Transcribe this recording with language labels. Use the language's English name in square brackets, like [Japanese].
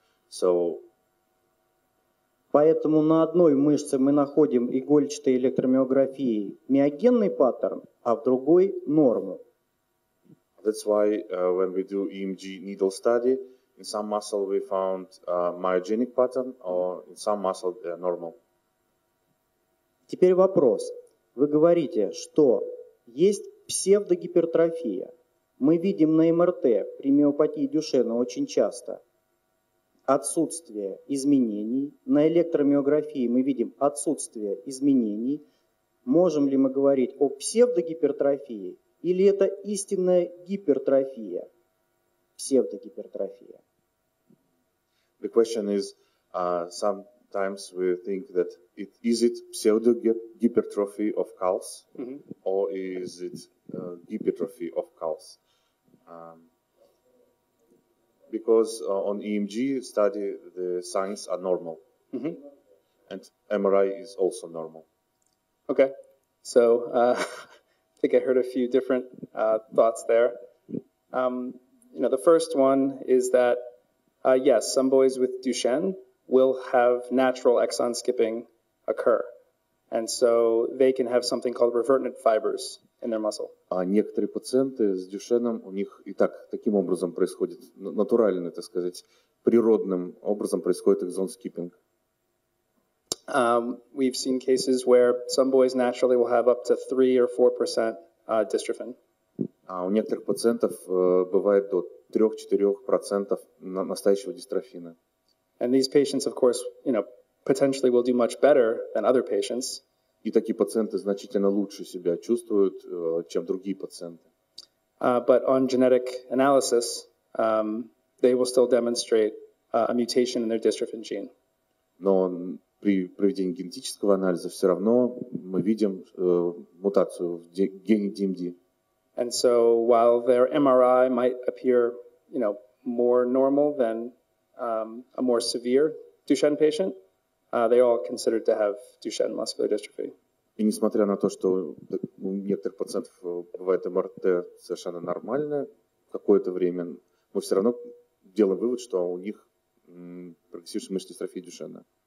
[English] So, [Russian] поэтому на одной мышце мы находим игольчатой электромиографией миогенный паттерн, а в другой норму. [English] That's why when we do EMG needle study, in some muscle we found a myogenic pattern, or in some muscle they are normal. [Russian] Теперь вопрос. Вы говорите, что есть псевдогипертрофия. Мы видим на МРТ при миопатии Дюшена очень часто отсутствие изменений. На электромиографии мы видим отсутствие изменений. Можем ли мы говорить о псевдогипертрофии или это истинная гипертрофия? Псевдогипертрофия. [English] The question is, sometimes we think that it, is it pseudo-hypertrophy of calves, mm-hmm. or is it hypertrophy of calves? Because on EMG study, the signs are normal, mm-hmm. and MRI is also normal. Okay, so I think I heard a few different thoughts there. The first one is that, yes, some boys with Duchenne will have natural exon skipping occur. And so they can have something called revertant fibers in their muscle. [Russian] А некоторые пациенты с Дюшеном, у них и так таким образом происходит, натурально, так сказать, природным образом происходит exon skipping. [English] We've seen cases where some boys naturally will have up to 3-4% dystrophin. [Russian] А у некоторых пациентов бывает до 3-4% настоящего дистрофина. [English] And these patients, of course, potentially will do much better than other patients. [Russian] И такие пациенты значительно лучше себя чувствуют, чем другие пациенты. [English] But on genetic analysis, they will still demonstrate a mutation in their dystrophin gene. [Russian] Но при проведении генетического анализа все равно мы видим мутацию в гене DMD. [English] And so, while their MRI might appear, more normal than a more severe Duchenne patient, they all considered to have Duchenne muscular dystrophy. [Russian] И несмотря на то, что у некоторых пациентов бывает МРТ совершенно нормальное какое-то время, мы все равно делаем вывод, что у них прогрессирующая мышечная дистрофия Дюшенна.